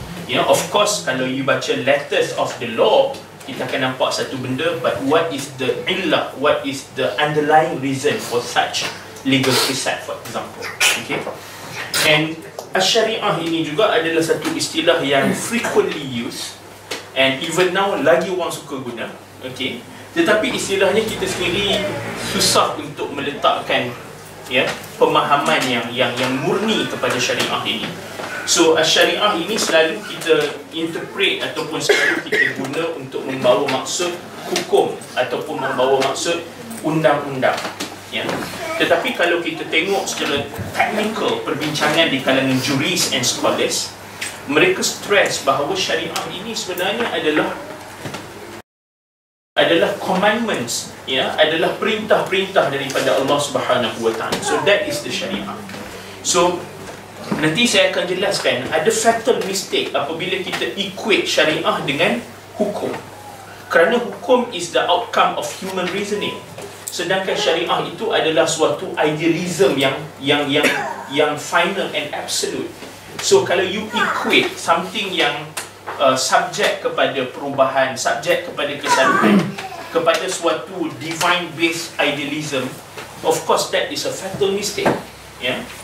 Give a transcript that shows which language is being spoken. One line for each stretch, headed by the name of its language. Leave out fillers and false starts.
Malay: Ya,
English: of course,
Malay: kalau
English: you
Malay: baca
English: letters of the law,
Malay: kita akan nampak satu benda,
English: but what is the illah, what is the underlying reason for such legal precept, for example. Okay. And
Malay: as-syari'ah ini juga adalah satu istilah yang
English: frequently used, and even now
Malay: lagi orang suka guna. Okay. Tetapi istilahnya kita sendiri susah untuk meletakkan, ya, pemahaman yang murni kepada syari'ah ini.
English: So
Malay: as-syari'ah ini selalu kita
English: interpret
Malay: ataupun selalu kita guna untuk membawa maksud hukum ataupun membawa maksud undang-undang. Ya. Tetapi kalau kita tengok secara
English: technical
Malay: perbincangan di kalangan
English: juris and scholars,
Malay: mereka
English: stress
Malay: bahawa syariah ini sebenarnya adalah
English: commandments,
Malay: ya, adalah perintah-perintah daripada Allah Subhanahu Wa Taala.
English: So that is the syariah. So
Malay: nanti saya akan jelaskan ada
English: fatal mistake
Malay: apabila kita
English: equate
Malay: syariah dengan hukum. Kerana hukum
English: is the outcome of human reasoning.
Malay: Sedangkan syariah itu adalah suatu
English: idealism
Malay: yang
English: final and absolute. So
Malay: kalau
English: you equate something
Malay: yang
English: subject
Malay: kepada perubahan,
English: subject
Malay: kepada kesalahan, kepada suatu
English: divine based idealism, of course that is a fatal mistake,
Malay: ya.